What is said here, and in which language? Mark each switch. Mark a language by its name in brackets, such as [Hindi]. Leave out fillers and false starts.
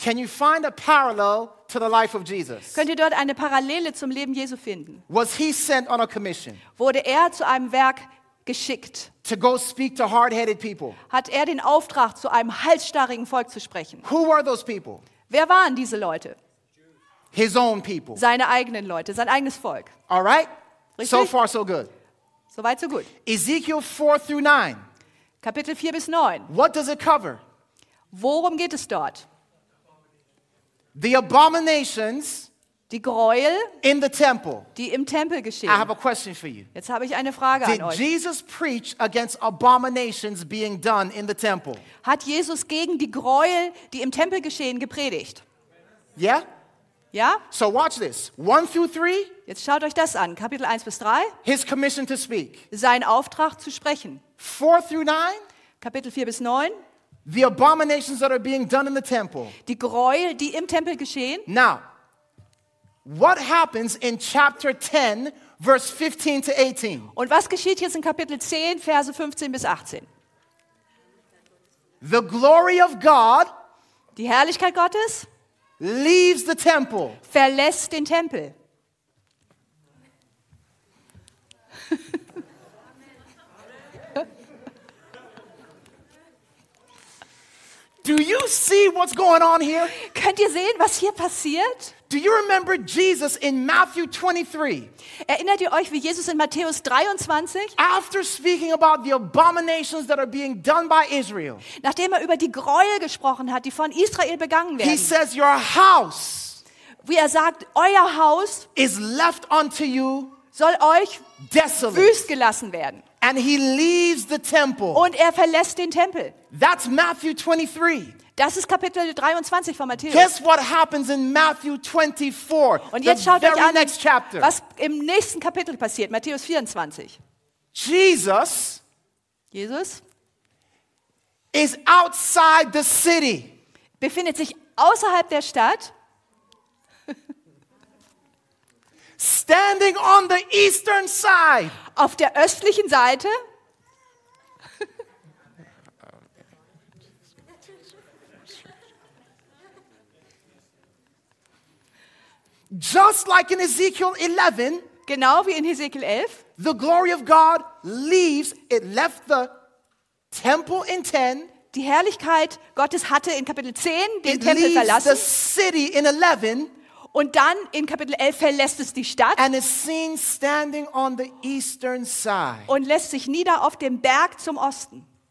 [English] Can you find a parallel to the life of Jesus? [German] Könnt ihr dort eine Parallele zum Leben Jesu finden? [English] Was he sent on a commission? [German] Wurde er zu einem Werk geschickt? [English] To go speak to hard-headed people. [German] Hat er den Auftrag, zu einem halsstarrigen Volk zu sprechen? [English] Who were those people? [German] Wer waren diese Leute? [English] His own people. [German] Seine eigenen Leute, sein eigenes Volk. [English] All right? [German] Richtig? [English] So far so good. [German] So weit so gut. [English] Ezekiel 4 through 9. [German] Kapitel 4 bis 9. [English] What does it cover? [German] Worum geht es dort? [English] The abominations, [German] die Gräuel, [English] in the temple, [German] die im Tempel geschehen. [English] I have a question for you. [German] Jetzt habe ich eine Frage [English] Did [German] an euch. [English] Did Jesus preach against abominations being done in the temple? [German] Hat Jesus gegen die Gräuel, die im Tempel geschehen, gepredigt? [English] Yeah? [German] Ja? [English] So watch this. 1 through 3. [German] Jetzt schaut euch das an. Kapitel 1 bis 3. [English] His commission to speak. [German] Sein Auftrag zu sprechen. [English] 4 through 9. [German] Kapitel 4 bis 9. [English] The abominations that are being done in the temple. [German] Die Gräuel, die im Tempel geschehen. [English] Now, what happens in chapter 10, verse 15 to 18? [German] Und was geschieht jetzt in Kapitel 10, Verse 15 bis 18? [English] The glory of God, [German] die Herrlichkeit Gottes, [English] leaves the temple. [German] Verlässt den Tempel. [English] Do you see what's going on here? [German] Könnt ihr sehen, was hier passiert? [English] Do you remember Jesus in Matthew 23? [German] Erinnert ihr euch, wie Jesus in Matthäus 23? [English] After speaking about the abominations that are being done by Israel. [German] Nachdem er über die Gräuel gesprochen hat, die von Israel begangen werden. [English] He says your house. [German] Wie er sagt, euer Haus [English] is left unto you. [German] Soll euch [English] desolate. [German] Wüst gelassen werden. [English] And he leaves the temple. [German] Und er verlässt den Tempel. [English] That's Matthew 23. [German] Das ist Kapitel 23 von Matthäus. [English] Guess what happens in Matthew 24? [German] Und jetzt schaut euch an, [English] next chapter. [German] Was im nächsten Kapitel passiert, Matthäus 24. [English] Jesus is outside the city. [German] Befindet sich außerhalb der Stadt. [English] Standing on the eastern side. [German] Auf der östlichen Seite. [English] Just like in Ezekiel 11, [German] genau wie in Ezekiel 11, [English] the glory of God leaves, it left the temple in 10. [German] Die Herrlichkeit Gottes hatte in Kapitel 10 den Tempel verlassen. [English] It leaves the city in 11. [German] Und dann in Kapitel 11 verlässt es die Stadt. [English] And is seen standing on the eastern side. [German] Und lässt sich nieder auf dem Berg zum Osten.